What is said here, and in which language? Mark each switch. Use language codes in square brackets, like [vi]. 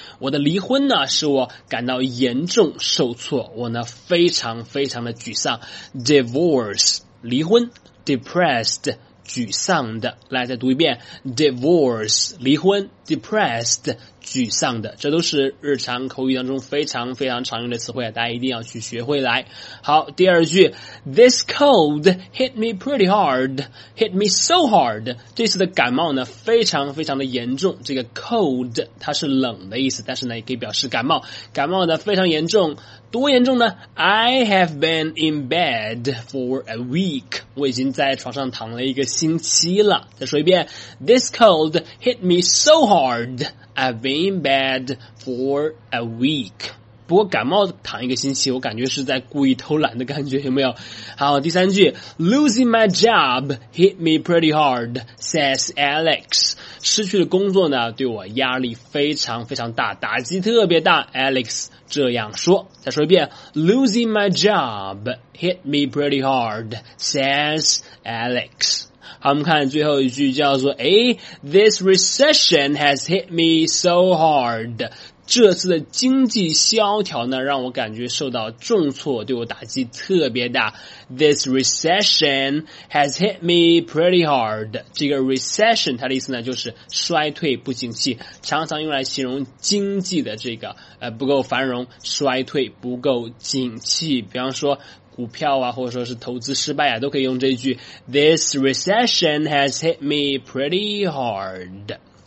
[zh] 我的离婚呢，使我感到严重受挫，我呢非常非常的沮丧。 Divorce 离婚， depressed 沮丧的。来再读一遍， Divorce 离婚， depressed 沮丧的。这都是日常口语当中非常非常常用的词汇，大家一定要去学会来。好，第二句， [en] This cold hit me pretty hard, hit me so hard. [zh] 这次的感冒呢非常非常的严重，这个 cold 它是冷的意思，但是呢也可以表示感冒，感冒的非常严重。多严重呢？ [en] I have been in bed for a week. [zh] 我已经在床上躺了一个星期了。再说一遍， [en] This cold hit me so hard. I've been in bed for a week. [zh] 不过感冒躺一个星期，我感觉是在故意偷懒的感觉，有没有？好，第三句， [en] Losing my job hit me pretty hard, says Alex. [zh] 失去了工作呢，对我压力非常非常大，打击特别大， Alex这样说。再说一遍， [en] Losing my job hit me pretty hard, says Alex。 [zh] 好，我们看最后一句，叫做诶， [en] This recession has hit me so hard。 [zh] 这次的经济萧条呢让我感觉受到重挫，对我打击特别大。 [en] This recession has hit me pretty hard。 [zh] 这个 recession 它的意思呢就是衰退不景气，常常用来形容经济的这个不够繁荣，衰退不够景气。比方说股票啊，或者说是投资失败啊，都可以用这一句 [en] This recession has hit me pretty hard。